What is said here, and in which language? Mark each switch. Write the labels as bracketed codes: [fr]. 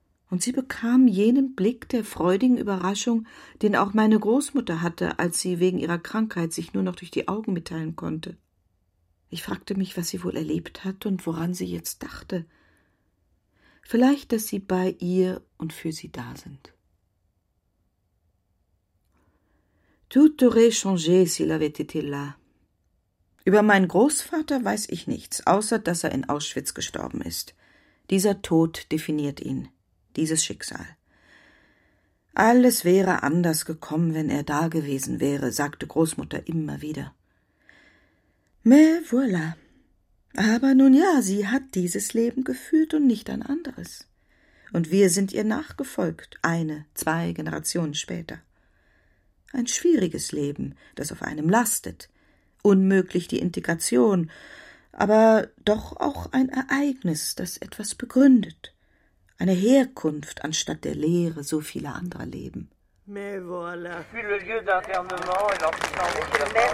[de] Und sie bekam jenen Blick der freudigen Überraschung, den auch meine Großmutter hatte, als sie wegen ihrer Krankheit sich nur noch durch die Augen mitteilen konnte. Ich fragte mich, was sie wohl erlebt hat und woran sie jetzt dachte. Vielleicht, dass sie bei ihr und für sie da sind. [fr] Tout aurait changé s'il avait été là. [de] Über meinen Großvater weiß ich nichts, außer dass er in Auschwitz gestorben ist. Dieser Tod definiert ihn. Dieses Schicksal. Alles wäre anders gekommen, wenn er da gewesen wäre, sagte Großmutter immer wieder. [fr] Mais voilà. [de] Aber nun ja, sie hat dieses Leben geführt und nicht ein anderes. Und wir sind ihr nachgefolgt, eine, zwei Generationen später. Ein schwieriges Leben, das auf einem lastet. Unmöglich die Integration, aber doch auch ein Ereignis, das etwas begründet. Eine Herkunft anstatt der Leere so vieler anderer Leben. [fr] Mais voilà. Je suis le lieu d'internement et